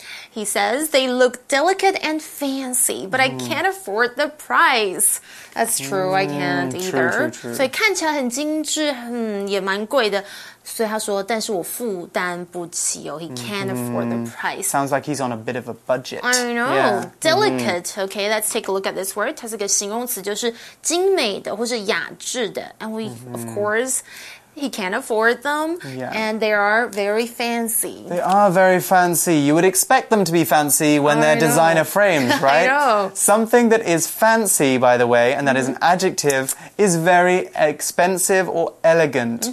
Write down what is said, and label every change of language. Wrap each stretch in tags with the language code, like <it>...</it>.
<en>He says, they look delicate and fancy, but I can't afford the price. That's true, I can't either. True.</en> <zh>所以看起来很精致，也蛮贵的。所以他说，但是我负担不起哦。</zh> <en>He can't afford the price. Sounds like he's on a bit of a budget. I know. Yeah. Delicate. Mm-hmm. Okay, let's take a look at this word.</en> <zh>它是个形容词，就是精美的或是雅致的。</zh> <en>And we, of course... He can't afford them, and they are very fancy. They are very fancy. You would expect them to be fancy when they're designer frames, right? I know. Something that is fancy, by the way, and that is an adjective, is very expensive or elegant.</en>